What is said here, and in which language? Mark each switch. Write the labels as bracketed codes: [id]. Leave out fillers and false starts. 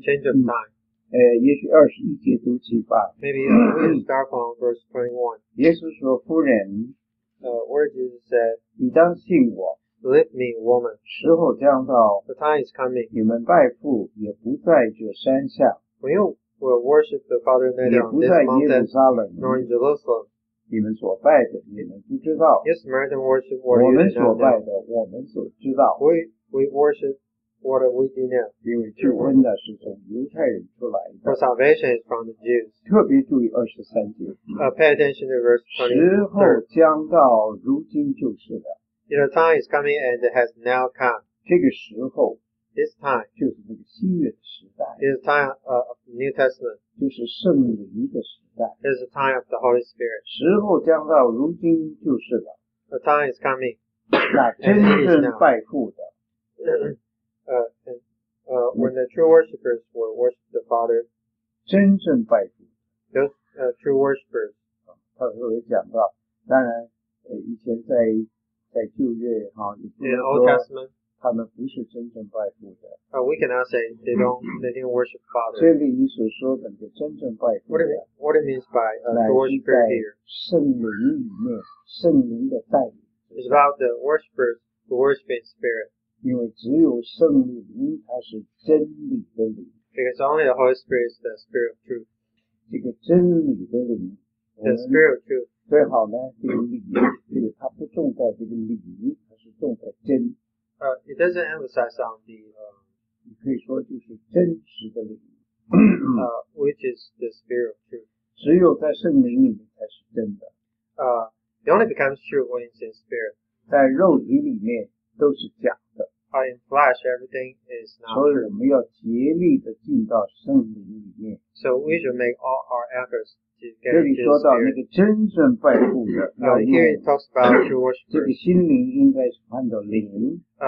[en] change of time， [zh] 也许二十一节读起吧 [en] ，maybe we start from verse 21。 [zh] 耶稣说：“夫人， [en] where Jesus said， [zh] 你当信我。” [en] Believe me, woman. [zh] 时候将到 [en] The time is coming. [zh] 你们拜父也不在这山下 [en] When you will worship the Father neither on this mountain [zh] 也不在耶路撒冷 [en] nor in Jerusalem. [zh] 你们所拜的你们不知道 [en] Yes, Samaritan worship what you [zh] know. 我们所拜的我们所知道 [en] We worship what we do now. [zh] 因为救恩的是从犹太人出来的 [en] For salvation is from the Jews. [zh] 特别注意二十三节 [en] Pay attention to verse 23. [zh] 时候将到如今就是的 [en] You know, time is coming and it has now come. [zh] 这个时候 [en] This time [zh] 就是那个新约的时代 [en] is the time of the New Testament. [zh] 就是圣灵的时代 [en] is the time of the Holy Spirit. [zh] 时候将到如今就是了 [en] The time is coming. [zh] 那真正拜父的 [en] When the true worshippers will worship the Father. [zh] 真正拜父 [en] Those true worshippers. [zh] 他特别讲到当然以前在旧约哈，你不能说 [en] Old Testament, [zh] 他们不是真正拜父的。 [en] We cannot say they didn't worship Father. [zh] 这里你所说的就真正拜父的。 [en] What it means by the worshiper here? [zh] 圣灵里面，圣灵的带领。 [en] It's about the worshiper, the worshiping spirit. [zh] 因为只有圣灵它是真理的灵。 [en] Because only the Holy Spirit is the spirit of truth. [zh] 这个真理的灵。 [en] The spirit of truth. [zh] 最好呢，这个理，这个它不重在这个理，它是重在真。 [en] It doesn't emphasize on the. [zh] 你可以说就是真实的理。 [en] Which is the spirit of truth. [zh] 只有在圣灵里面才是真的。 [en] It only becomes true when it's in spirit. [zh] 在肉体里面都是假的。 [en] In flesh, everything is not true. [zh] 所以我们要竭力的进到圣灵里面。 [en] So we should make all our efforts. [zh] 这里说到那个真正拜父的要用这个心灵应该是翻到灵